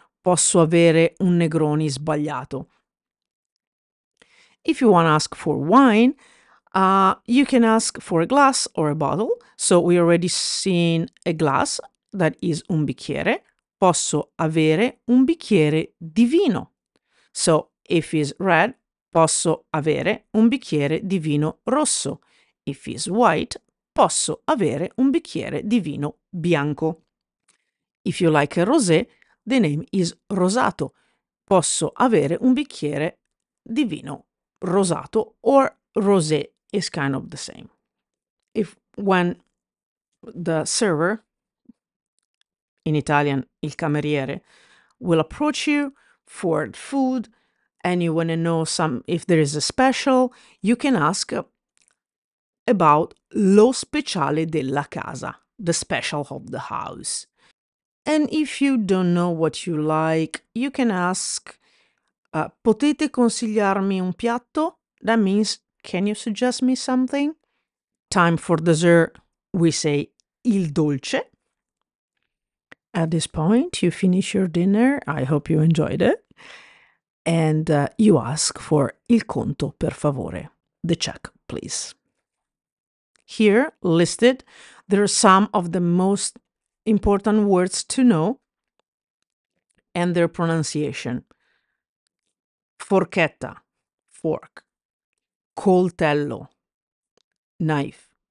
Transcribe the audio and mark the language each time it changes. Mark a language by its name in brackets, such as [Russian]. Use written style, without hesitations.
[Italian] Posso avere un Negroni sbagliato. [English] If you want to ask for wine, you can ask for a glass or a bottle. So we already seen a glass, that is un bicchiere. [Italian] Posso avere un bicchiere di vino. [English] So if it's red, [Italian] posso avere un bicchiere di vino rosso. [English] If it's white, [Italian] posso avere un bicchiere di vino bianco. [English] If you like a rosé, the name is rosato. [Italian] Posso avere un bicchiere di vino rosato, [English] or rosé is kind of the same. If when the server, in Italian, il cameriere, will approach you for food and you want to know some if there is a special, you can ask about [Italian] lo speciale della casa, [English] the special of the house. And if you don't know what you like, you can ask, [Italian] potete consigliarmi un piatto? [English] That means, can you suggest me something? Time for dessert, we say il dolce. At this point, you finish your dinner. I hope you enjoyed it. And you ask for [Italian] il conto, per favore. [English] The check, please. Here, listed, there are some of the most important words to know and their pronunciation. Forchetta, fork. Coltello, knife.